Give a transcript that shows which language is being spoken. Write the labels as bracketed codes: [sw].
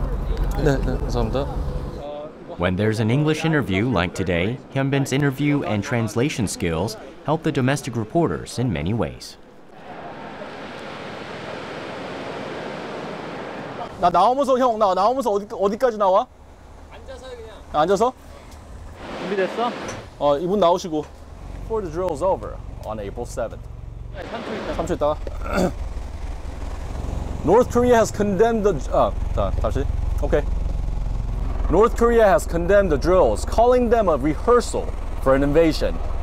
[en] When there's an English interview like today, Hyun-bin's interview and translation skills help the domestic reporters in many ways. [ko] 나 나오면서 형 나 나오면서 어디까지 나와? 앉아서 그냥. 앉아서? 준비됐어? 이분 나오시고. [en] For the drill is over on April 7th. [ko] 3초 있다. 3초 있다. [en] North Korea has condemned the [ko] 다시. [en] Okay. North Korea has condemned the drills, calling them a rehearsal for an invasion.